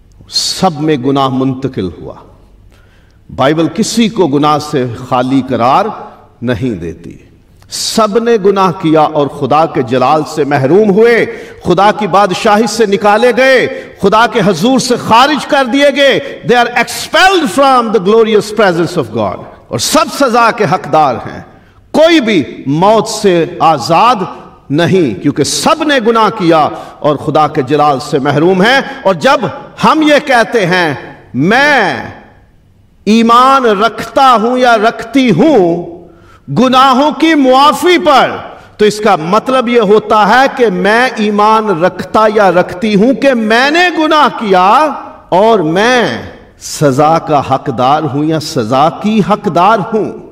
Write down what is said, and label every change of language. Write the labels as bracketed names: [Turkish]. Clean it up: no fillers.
[Urdu] سب میں گناہ منتقل ہوا. بائبل کسی کو گناہ سے خالی قرار نہیں دیتی. سب نے گناہ کیا اور خدا کے جلال سے محروم ہوئے، خدا کی بادشاہی سے نکالے گئے، خدا کے حضور سے خارج کر دیے گئے. [English] They are expelled from the glorious presence of God. [Urdu] اور سب سزا کے حقدار ہیں، کوئی بھی موت سے آزاد نہیں، کیونکہ سب نے گناہ کیا اور خدا کے جلال سے محروم ہیں. اور جب ہم یہ کہتے ہیں میں ایمان رکھتا ہوں یا رکھتی ہوں گناہوں کی معافی پر، تو اس کا مطلب یہ ہوتا ہے کہ میں ایمان رکھتا یا رکھتی ہوں کہ میں نے گناہ کیا اور میں سزا کا حقدار ہوں یا سزا کی حقدار ہوں.